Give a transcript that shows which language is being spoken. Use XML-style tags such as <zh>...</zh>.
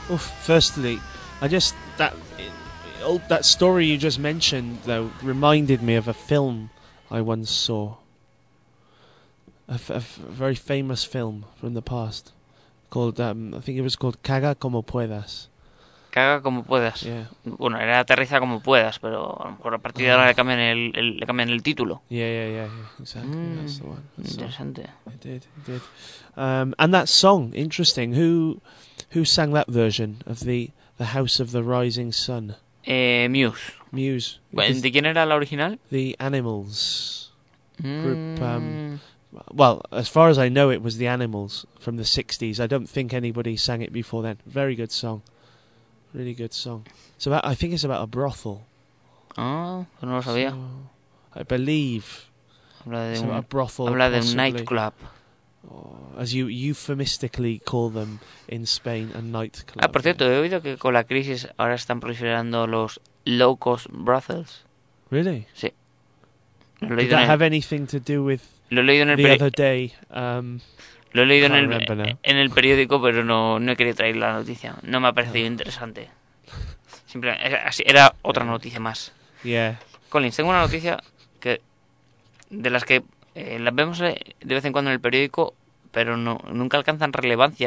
<en>Uf, firstly, I just that story you just mentioned though reminded me of a film I once saw. A very famous film from the past called I think it was called</en> <es>Caga como puedas. Caga como puedas.</es> <en>Yeah.</en> <es>Bueno, era Aterriza como puedas, pero a lo mejor a partir de ahora le cambian el título.</es> <en>Yeah, exactly. And that song, interesting. Who sang that version of the House of the Rising Sun?</en> <es>Muse. Bueno, ¿de quién era la original?</es> <en>The Animals. Group. Well, as far as I know, it was The Animals from the 60s. I don't think anybody sang it before then. Very good song. Really good song. It's about, I think it's about a brothel.</en> <es>Oh, no lo sabía.</es> <en>So, I believe.</en> <es>Habla de</es> <en>a brothel.</en> <es>Habla</es> <en>possibly,</en> <es>de nightclub.</es> <en>As you euphemistically call them in Spain, a nightclub.</en> <es>Ah, por cierto,</es> <en>yeah.</en> <es>He oído que con la crisis ahora están proliferando los</es> <en>low-cost brothels. Really?</en> <es>Sí.</es> <en>Did that have anything to do with other day?</en> <es>Lo he leído en el periódico, pero no he querido traer la noticia. No me ha parecido interesante. Simplemente era otra noticia más.</es> <en>Yeah.</en> <es>Collins, tengo una noticia que de las que las vemos de vez en cuando en el periódico, pero nunca alcanzan relevancia.</es>